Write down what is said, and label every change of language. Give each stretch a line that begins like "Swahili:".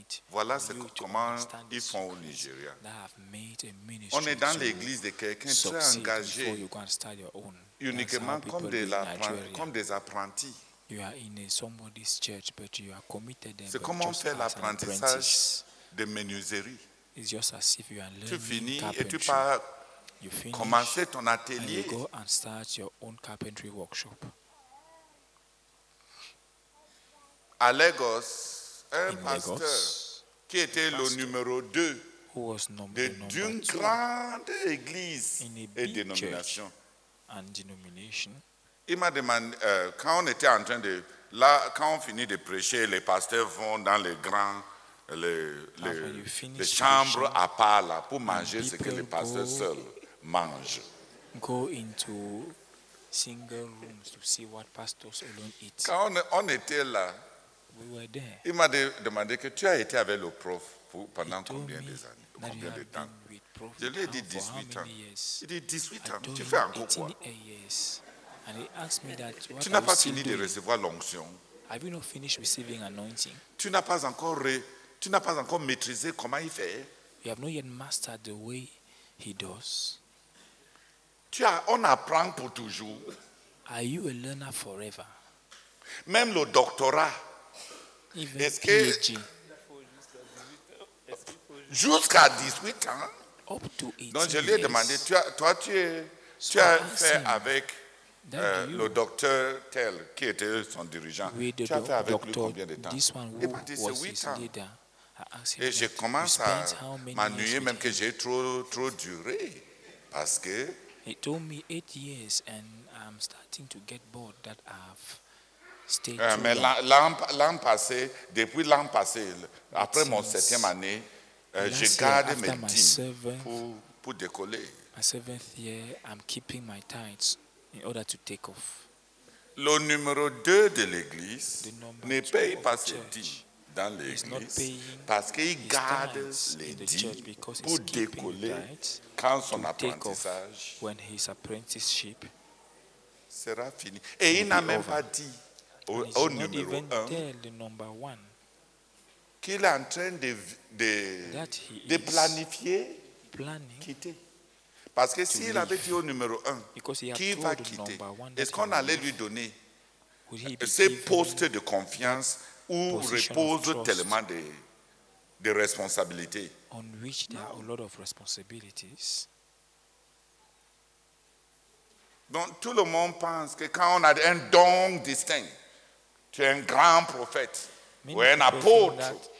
French: Voilà comment ils font au Nigeria. On est dans l'église de quelqu'un très engagé. Uniquement comme des apprentis.
English: You are in somebody's church, but you are committed.
French: C'est comme on fait l'apprentissage de menuiserie.
English: It's just as if you are learning.
French: Tu finis et tu pars.
English: You finish.
French: Commencer ton atelier.
English: And you go and start your own carpentry workshop.
French: À Lagos, un pasteur qui était le numéro 2 d'une grande église et dénomination.
English: And denomination.
French: Il m'a demandé, quand on était en train de... Là, quand on finit de prêcher, les pasteurs vont dans les grands... Les chambres à part là pour manger ce que les pasteurs seuls mangent.
English: Go into single rooms to see what pastors alone eat.
French: Quand on était là,
English: we were there.
French: Il m'a demandé que tu as été avec le prof pendant combien des années? Combien de temps? Je lui ai dit 18 ans. Il dit 18 ans. Tu fais encore quoi?
English: And he asked me that, what
French: tu n'as pas fini de recevoir l'onction.
English: Have you not finished receiving anointing?
French: Tu n'as pas encore maîtrisé comment il fait.
English: You have not yet mastered the way he does.
French: On apprend pour toujours.
English: Are you a learner forever?
French: Même le doctorat.
English: Even est-ce PhD. Que
French: jusqu'à 18 ans.
English: Up to 18
French: donc, je lui ai demandé, tu as fait avec le docteur tel qui était son dirigeant. Oui, tu as fait avec lui combien de temps? Il m'a dit, c'est 8 ans. Et je commence à m'ennuyer même que j'ai trop duré. Parce que...
English: He told me 8 years and I'm starting to get bored that I've stayed too long.
French: Mais l'an passé, depuis l'an passé, après mon 7e année, je garde mes dîmes pour décoller.
English: My seventh year, I'm keeping my tithes in order to take off.
French: Le numéro 2 de l'église ne paye pas ses dîmes dans l'église parce qu'il garde les dîmes pour décoller quand son apprentissage
English: when his apprenticeship
French: sera fini. Et il n'a même pas dit au numéro 1 qu'il est en train de planifier quitter. Parce que s'il avait dit au numéro 1 qui va quitter, est-ce qu'on allait lui donner ce poste de confiance où repose tellement de responsabilités?
English: On which there are a lot of responsibilities.
French: Donc tout le monde pense que quand on a un don distinct, tu es un grand prophète ou un apôtre.